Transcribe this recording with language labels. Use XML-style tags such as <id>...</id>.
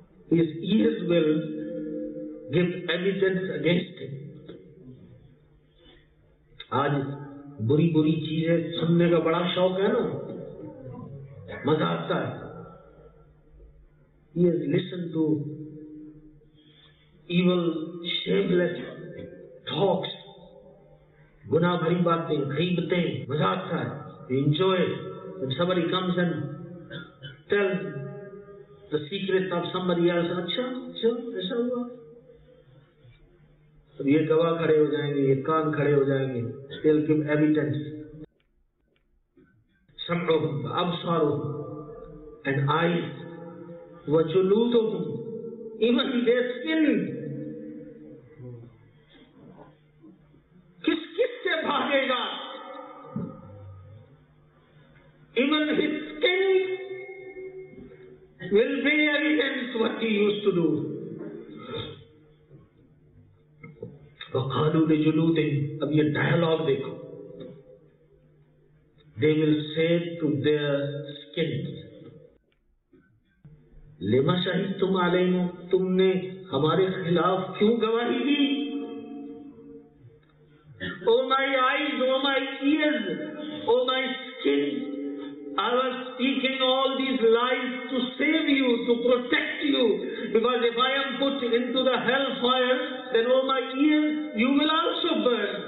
<en>His ears will give evidence against him.</en> <ur>آج بری بری چیزیں سننے کا بڑا شوق ہے نا, مزہ آتا ہے.</ur> <en>He has listened to evil, shameless talks,</en> <ur>گناہ بھری باتیں, غیبتیں, مزہ آتا ہے.</ur> <en>He enjoys when somebody comes and tell the secret of somebody else.</en> <ur>اچھا اچھا ایسا ہوا, اب یہ گواہ کھڑے ہو جائیں گے, یہ کان کھڑے ہو جائیں گے.</ur> <en>They'll give evidence.</en> <ar>سمعهم وابصارهم</ar> <en>and eyes</en> <ar>وجلودهم</ar> <en>even their skin.</en> <ur>کس کس سے بھاگے گا,</ur> <en>even his skin will be evidence what he used to do.</en> <ar>وَقَالُوا لِجُلُودِهِمْ.</ar> <ur>اب یہ ڈائلاگ دیکھو,</ur> <en>they will say to their skin,</en> <ar>لِمَا شَهِدْتُمْ عَلَيْنَا,</ar> <ur>تم نے ہمارے خلاف کیوں گواہی دی.</ur> <en>Oh my eyes, oh my ears, oh my skin, I was speaking all these lies to save you, to protect you. Because if I am put into the hell fire, then oh my ears, you will also burn.</en>